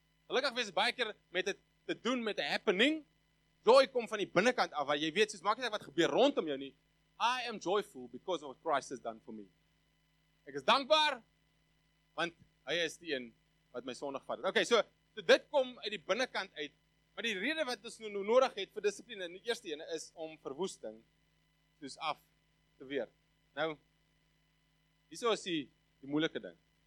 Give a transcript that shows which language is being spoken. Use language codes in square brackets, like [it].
[af] Gelukkig wees is baie keer met het te doen met [en] a happening. [af] Joy kom van die binnenkant af, waar jy weet, soos maak nie wat gebeur rondom jou nie. [en] I am joyful because of what Christ has done for me. [af] Ek is dankbaar, want hy is die een wat my sonde gevat het. Okay, so dit kom uit die binnenkant uit. Maar die rede wat ons nou nodig het vir discipline, die eerste ene is om verwoesting soos af te weer. Nou, hier so is die moeilike ding.